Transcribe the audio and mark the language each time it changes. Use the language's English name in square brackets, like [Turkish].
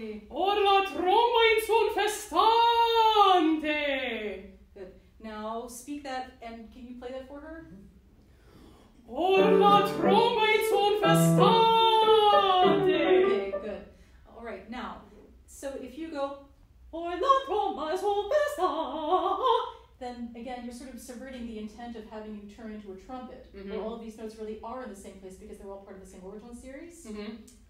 [Italian] Orla tromba in suon festante! [English] Now speak that, and can you play that for her? [Italian] Orla tromba in suon festante. [English] Okay, good. All right, now, so if you go [Italian] Orla tromba in suon festante, [English] then again, you're sort of subverting the intent of having you turn into a trumpet. Mm-hmm. Where all of these notes really are in the same place because they're all part of the same origin series. Mm-hmm.